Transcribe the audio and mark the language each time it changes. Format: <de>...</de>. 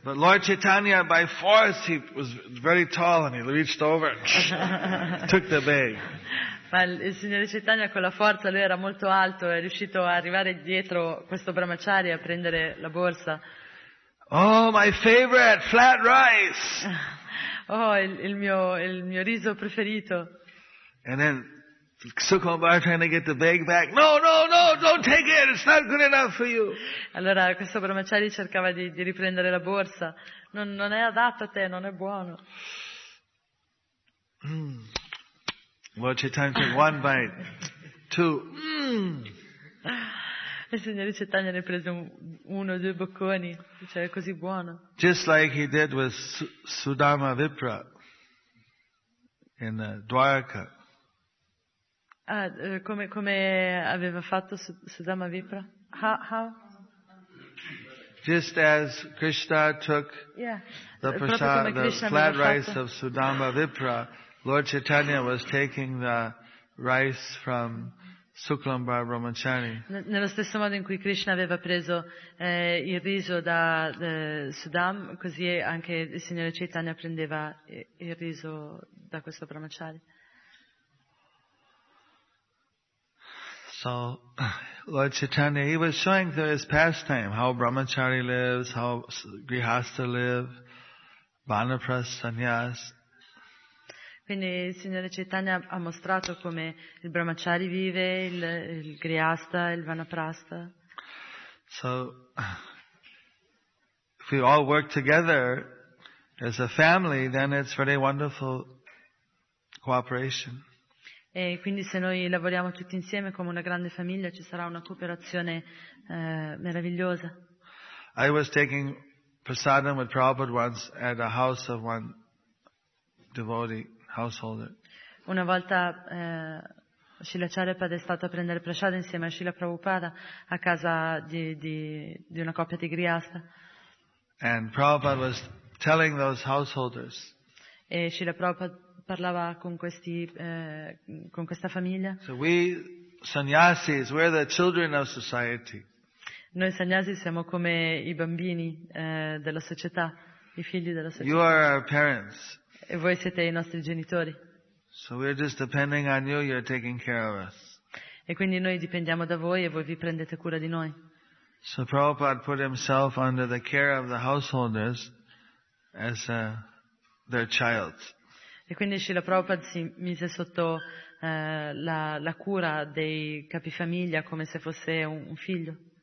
<en>But Lord Chaitanya, by force, he was very tall and he reached over and took the bag.</en> <it>Ma il signore Chaitanya con la forza, lui era molto alto, è riuscito a arrivare dietro questo brahmachari a prendere la borsa.</it> <en>Oh, my favorite flat rice.</en> <it>Oh, il mio riso preferito.</it> <en>And then Sukambar trying to get the bag back. No, don't take it. It's not good enough for you.</en> <it>Allora questo brahmachari cercava di riprendere la borsa. Non è adatto a te, non è buono.</it> <en>Lord Chaitanya took one bite, two.</en> <it>Il signore Chaitanya ne prese uno, due bocconi. Cioè, così buono.</it> <en>Just like he did with Sudama Vipra in Dwarka.</en> <it>Ah, come aveva fatto Sudama Vipra?</it> <en>How? Just as Krishna took the prasad, the flat rice of Sudama Vipra, Lord Chaitanya was taking the rice from Suklambar Brahmachari.</en> <it>Nello stesso modo in cui Krishna aveva preso il riso da Sudam, così anche il signore Chaitanya prendeva il riso da questo Brahmachari.</it> <en>So Lord Chaitanya, he was showing through his pastime how Brahmachari lives, how Grihastha live, Vanaprastha Sannyas.</en> <it>Quindi il signore Chaitanya ha mostrato come il Brahmachari vive, il Grihastha, il Vanaprastha.</it> <en>So, if we all work together as a family, then it's very wonderful cooperation.</en> <it>E quindi se noi lavoriamo tutti insieme come una grande famiglia, ci sarà una cooperazione meravigliosa.</it> <en>I was taking prasadam with Prabhupada once at a house of one devotee. Householder.</en> <it>Una volta Srila Charyapada è stato a prendere prasada insieme a Srila Prabhupada a casa di una coppia di Grihastha.</it> <en>And Prabhupada was telling those householders.</en> <it>E Srila Prabhupada parlava con questi con questa famiglia.</it> <en>So we sannyasis, we're the children of society.</en> <it>Noi sannyasi siamo come i bambini della società, i figli della società.</it> <en>You are our parents.</en> <it>E voi siete i nostri genitori.</it> <en>So we're just depending on you, you're taking care of us.</en> <it>E quindi noi dipendiamo da voi e voi vi prendete cura di noi.</it> <en>So Prabhupada put himself under the care of the householders as their child.</en> <it>E quindi Srila Prabhupada si mise sotto la cura dei capifamiglia come se fosse un figlio.</it>